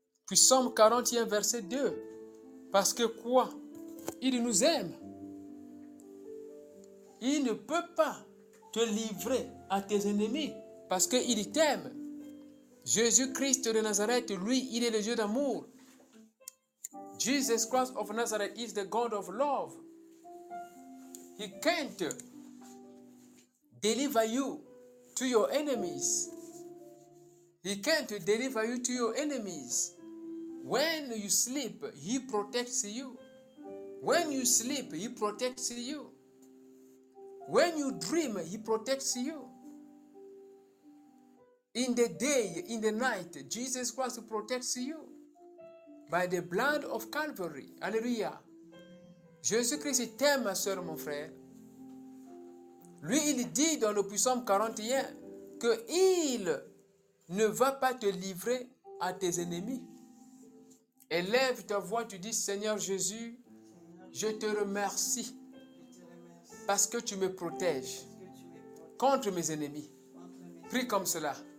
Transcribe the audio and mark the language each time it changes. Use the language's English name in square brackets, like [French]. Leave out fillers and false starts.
[French] Psaume 41, verset 2. Parce que quoi? Il nous aime. Il ne peut pas te livrer à tes ennemis parce qu'il t'aime. Jésus-Christ de Nazareth, lui, il est le Dieu d'amour. [English] Jesus Christ of Nazareth is the God of love. He can't deliver you to your enemies. He can't deliver you to your enemies. When you sleep, he protects you. When you sleep, he protects you. When you dream, he protects you. In the day, in the night, Jesus Christ protects you by the blood of Calvary. [French] Alléluia. Jésus-Christ t'aime, ma soeur, mon frère. Lui, il dit dans le Psaume 41 qu'il ne va pas te livrer à tes ennemis. Élève ta voix, tu dis, Seigneur Jésus, je te remercie parce que tu me protèges contre mes ennemis. Prie comme cela.